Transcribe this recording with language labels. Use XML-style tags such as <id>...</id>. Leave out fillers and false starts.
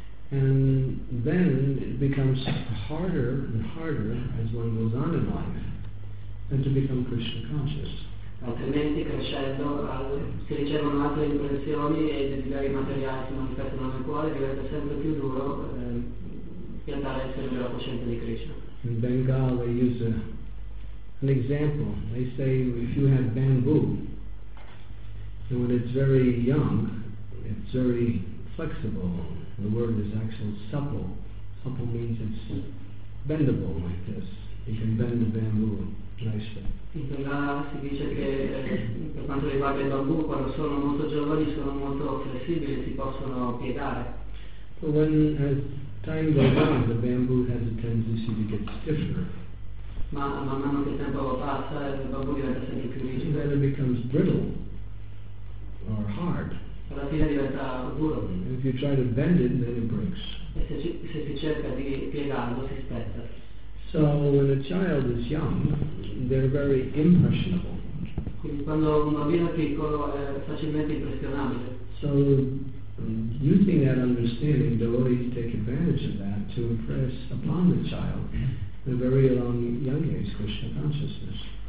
<en>And then it becomes harder and harder as one goes on in life and to become Krishna conscious.</en> <it>Altrimenti crescendo si ricevono altre impressioni e i desideri materiali si manifestano nel cuore, diventa sempre più duro.</it> <en>In Bengal they use an example. They say if you have bamboo, and when it's very young, it's very flexible. The word is actually supple. Supple means it's bendable like this. You can bend the bamboo nicely.</en> <it>In Bengala si dice che per quanto riguarda il bambù, quando sono molto giovani sono molto flessibili, si possono piegare.</it> <en>So when as time goes on, the bamboo has a tendency to get stiffer.</en> <it>Man mano che il tempo passa, il bambù diventa sempre più rigido.</it> <en>And then it becomes brittle or hard.</en> <it>Alla fine diventa duro.</it> <en>And if you try to bend it, then it breaks.</en> <it>E se si cerca di piegarlo, si spezza.</it> <en>So when a child is young, they're very impressionable.</en> <it>Quindi quando un bambino è piccolo è facilmente impressionabile.</it> <en>So using that understanding, devotees take advantage of that to impress upon the child the very long young age Krishna consciousness.</en>